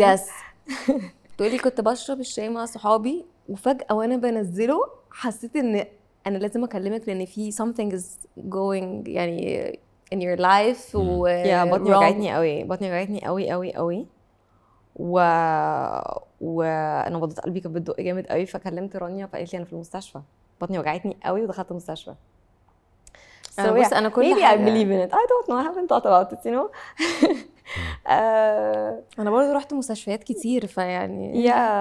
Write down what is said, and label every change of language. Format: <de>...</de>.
<ar>يس تقولي كنت بشرب الشاي مع صحابي وفجاه وانا بنزله حسيت ان انا لازم اكلمك لان في</ar> <en>something is going</en> <ar>يعني</ar> <en>in your life.</en> <ar>يا بطني وجعتني قوي بطني وجعتني قوي قوي قوي وانا بضغط قلبي كانت بتدق جامد قوي فكلمت رانيا فقالت لي انا في المستشفى بطني وجعتني قوي ودخلت المستشفى. بس انا كل حاجه</ar> <en>maybe I believe in it I don't know I haven't thought about it you know.</en> <ar>انا برضو رحت مستشفيات كتير فيعني</ar>